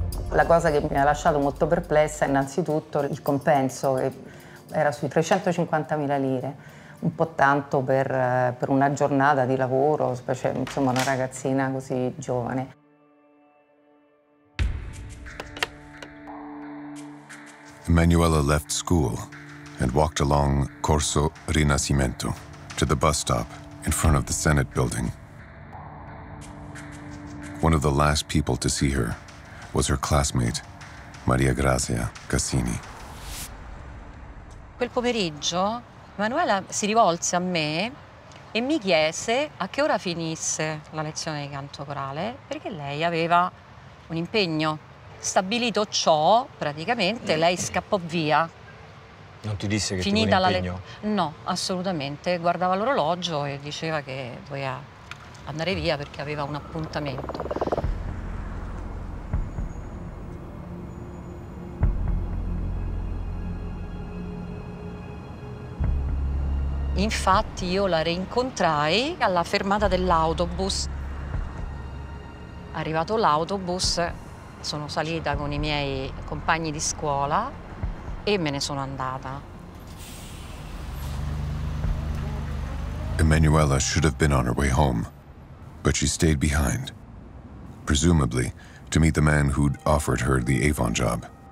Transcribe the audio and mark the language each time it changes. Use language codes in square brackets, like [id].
[it] La cosa che mi ha lasciato molto perplessa è innanzitutto il compenso, che era sui 350.000 lire, un po' tanto per una giornata di lavoro, specie, insomma, una ragazzina così giovane. [en] Emanuela left school and walked along Corso Rinascimento to the bus stop in front of the Senate building. One of the last people to see her was her classmate, Maria Grazia Cassini. [it] Quel pomeriggio, Emanuela si rivolse a me e mi chiese a che ora finisse la lezione di canto corale, perché lei aveva un impegno. Stabilito ciò, praticamente, lei scappò via. Non ti disse che finita tu l'impegno? No, assolutamente. Guardava l'orologio e diceva che doveva andare via perché aveva un appuntamento. Infatti io la rincontrai alla fermata dell'autobus. Arrivato l'autobus, sono salita con i miei compagni di scuola e me ne sono andata. [en] Emanuela should have been on her way home, but she stayed behind, presumably to meet the man who'd offered her the Avon job.